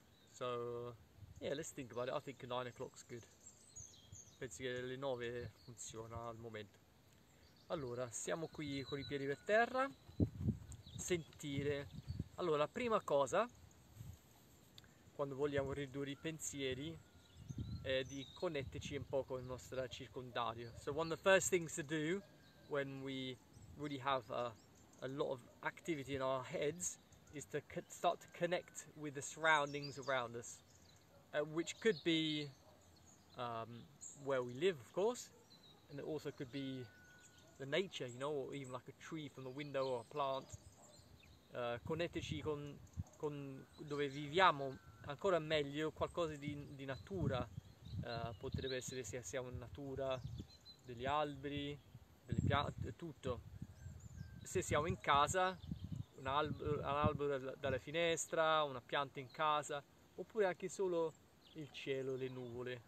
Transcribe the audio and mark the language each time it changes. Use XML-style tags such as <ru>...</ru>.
<en>So yeah, let's think about it. I think 9 o'clock's good.</en> <it>Penso che alle 9 funziona al momento. Allora, siamo qui con i piedi per terra. Sentire. Allora, la prima cosa quando vogliamo ridurre i pensieri è di connetterci un po' con il nostro circondario.</it> <en>So one of the first things to do when we really have a lot of activity in our heads is to start to connect with the surroundings around us, which could be where we live, of course, and it also could be the nature, you know, or even like a tree from the window or a plant.</en> <it>Connetterci con dove viviamo, ancora meglio qualcosa di natura. Potrebbe essere se siamo in natura, degli alberi, delle piante, tutto. Se siamo in casa, un albero dalla finestra, una pianta in casa, oppure anche solo il cielo, le nuvole.</it>